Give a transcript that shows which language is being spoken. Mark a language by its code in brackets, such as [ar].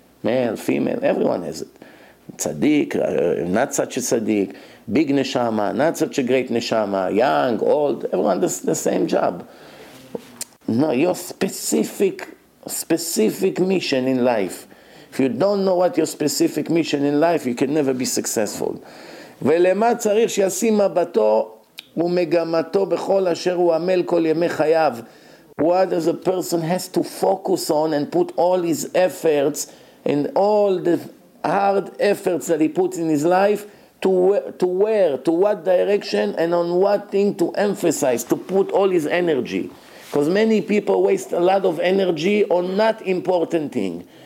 [en] Male, female, everyone has it. Tzaddik, not such a tzaddik. Big neshama, not such a great neshama. Young, old, everyone does the same job. No, your specific mission in life. If you don't know what your specific mission in life, you can never be successful. [he] ולמה צריך שישים מבטו ומגמתו בכל אשר הוא עמל כל ימי חייו? [en] What does a person has to focus on and put all his efforts and all the hard efforts that he puts in his life to where, to what direction and on what thing to emphasize, to put all his energy. Because many people waste a lot of energy on not important thing.